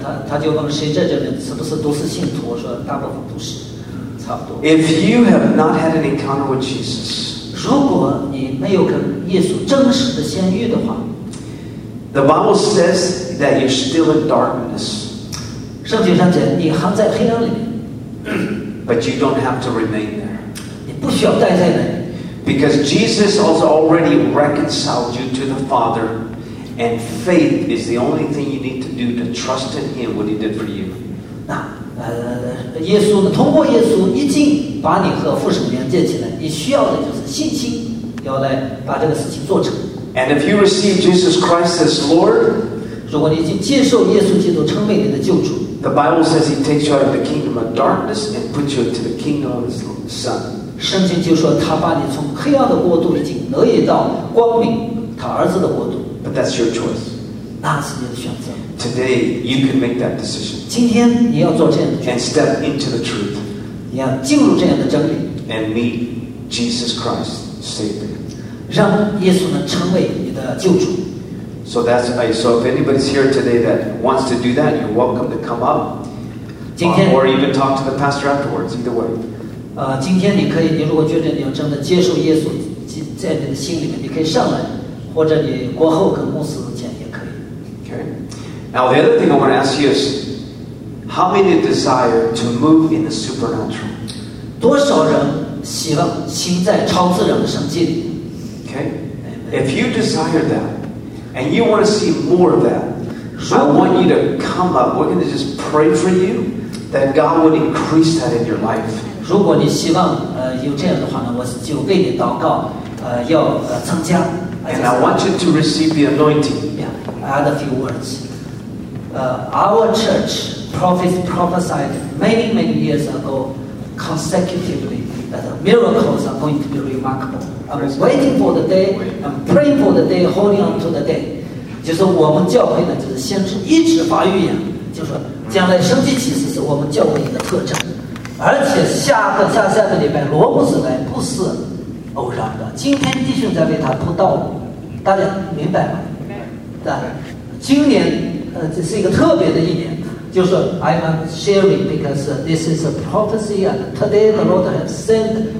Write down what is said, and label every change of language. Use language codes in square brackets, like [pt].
[zh] 他就问谁在这边是不是都是信徒？我说大部分都是，差不多。 [en] If you have not had an encounter with Jesus, [zh] 如果你没有跟耶稣真实的相遇的话 [en] ，The Bible says that you're still in darkness. [zh] 圣经上讲，你还在黑暗里。 [en] But you don't have to remain there. [zh] 你不需要待在那里。 [en] Because Jesus has already reconciled you to the Father, and faith is the only thing you need to do to trust in Him what He did for you. [zh] 那耶稣呢？通过耶稣已经把你和父神连接起来，你需要的就是信心，要来把这个事情做成。 [en] And if you receive Jesus Christ as Lord, [zh] 如果你已经接受耶稣基督称为你的救主 [en] ，The Bible says He takes you out of the kingdom of darkness and puts you into the kingdom of His Son. [zh] 圣经就说他把你从黑暗的国度已经挪移到光明，他儿子的国度。 [en] But that's your choice. [zh] 那是你的选择。 [en] Today you can make that decision. [zh] 今天你要做这样的决定。 [en] And step into the truth. [zh] 你要进入这样的真理。 [en] And meet Jesus Christ, Savior. [zh] 让耶稣能成为你的救主。 [en] So that's I. So if anybody's here today that wants to do that, you're welcome to come up. [zh] 今天 [en] or even talk to the pastor afterwards. Either way. [zh] 今天你可以，你如果觉得你要真的接受耶稣，在你的心里面，你可以上来，或者你过后跟牧师讲也可以。 [en] Okay. Now the other thing I want to ask you is, how many desire to move in the supernatural? [zh] 多少人希望心在超自然的神迹里 [en] ？Okay. If you desire that. And you want to see more of that? I want you to come up. We're going to just pray for you that God would increase that in your life. [zh] 如果你希望有这样的话呢，我就为你祷告，要增加。 [en] And I want you to receive the anointing. Yeah, add a few words. Our church prophesied many, many years ago, consecutively, that the miracles are going to be remarkable. I'm waiting for the day. I'm praying for the day. Holding on to the day. [zh] 就是我们教会呢，就是先知一直发预言，就是、说将来神迹奇事是我们教会的特征。而且下个下下个礼拜罗牧师来不是偶然的。今天弟兄在为他铺道路，大家明白吗？明白。今年这是一个特别的一年，就是 [en] I'm sharing because this is a prophecy and today the Lord has sent.